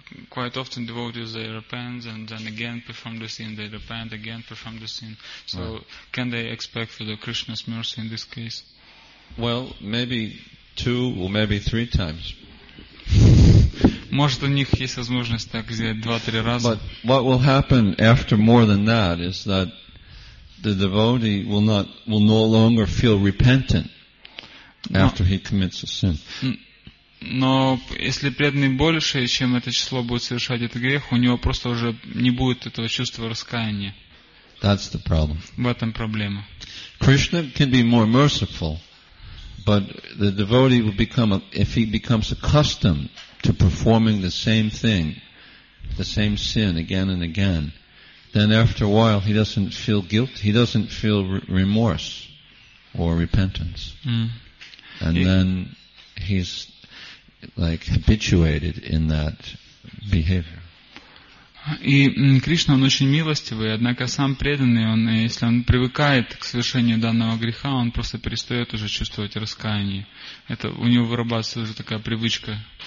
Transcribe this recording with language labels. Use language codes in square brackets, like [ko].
[en] Quite often devotees, they repent and then again perform the sin. They repent again, perform the sin. So can they expect for the Krishna's mercy in this case? Well, maybe two or maybe three times. [ru] Может, у них есть возможность так сделать 2-3 раза. [en] But what will happen after more than that is that the devotee will no longer feel repentant. after he commits a sin. [ru] Но если преданный больше, чем это число, будет совершать этот грех, у него просто уже не будет этого чувства раскаяния. [en] That's the problem. [ru] В этом проблема. [en] Krishna can be more merciful, but the devotee will become, if he becomes accustomed to performing the same thing, the same sin again and again, then after a while he doesn't feel guilt, he doesn't feel remorse or repentance. And then he's like habituated in that behavior. [ru] И Кришна, он очень милостивый, однако сам преданный, он, если он привыкает к совершению данного греха, он просто перестает уже чувствовать раскаяние. Это у него вырабатывается уже такая привычка.